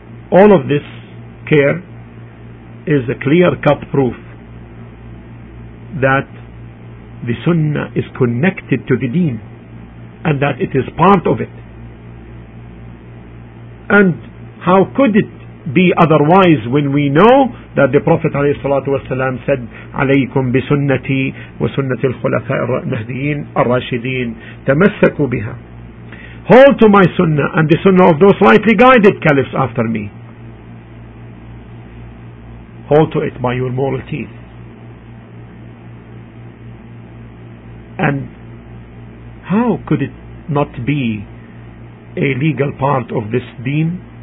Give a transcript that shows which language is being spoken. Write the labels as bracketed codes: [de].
[en] All of this care is a clear-cut proof that the sunnah is connected to the deen and that it is part of it. And how could it be otherwise when we know that the Prophet عليه الصلاة والسلام said, [ar] عليكم بسنتي وسنة الخلفاء المهديين الراشدين تمسكوا بها. [en] Hold to my sunnah and the sunnah of those rightly guided caliphs after me. Hold to it by your moral teeth. And how could it not be a legal part of this deen?